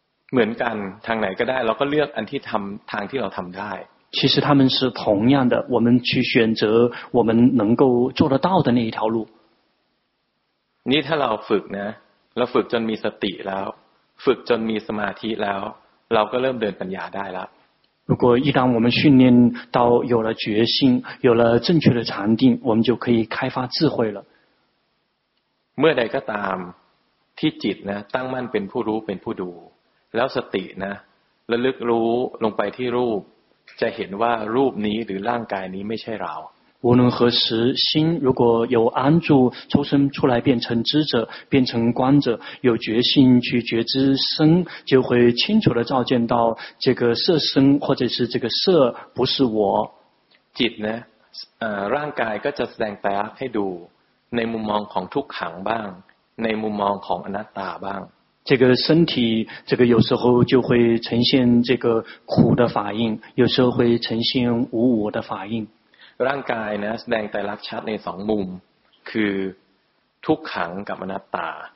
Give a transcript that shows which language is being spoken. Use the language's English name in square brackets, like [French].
[Thai] เหมือนกันทางไหนก็ได้เราก็เลือกอันที่ทำทางที่เราทำได้ [Chinese] 其实他们是同样的我们去选择我们能够做得到的那一条路 [Thai] นี่ถ้าเราฝึกนะเราฝึกจนมีสติแล้วฝึกจนมีสมาธิแล้ว เราก็เริ่มเดินปัญญาได้แล้ว [Chinese] 如果一旦我们训练到有了决心有了正确的禅定我们就可以开发智慧了 [Thai] เมื่อใดก็ตามที่จิตนะตั้งมั่นเป็นผู้รู้เป็นผู้ดูแล้วสตินะระลึกรู้ลงไปที่รูปจะเห็นว่ารูปนี้หรือร่างกายนี้ไม่ใช่เรา [Chinese] 无论何时心如果有安住抽身出来变成知者变成观者有决心去觉知身就会清楚地照见到这个色身或者是这个色不是我 [Thai] จิตนะร่างกายก็จะแสดงตาให้ดูในมุมมองของทุกขังบ้างในมุมมองของอนัตตาบ้าง [Chinese] 这个身体这个有时候就会呈现这个苦的法印有时候会呈现无我的法印 [Thai] ร่างกายนะแสดงไตรลักษณ์ชัดในสองมุมคือทุกขังกับอนัตตา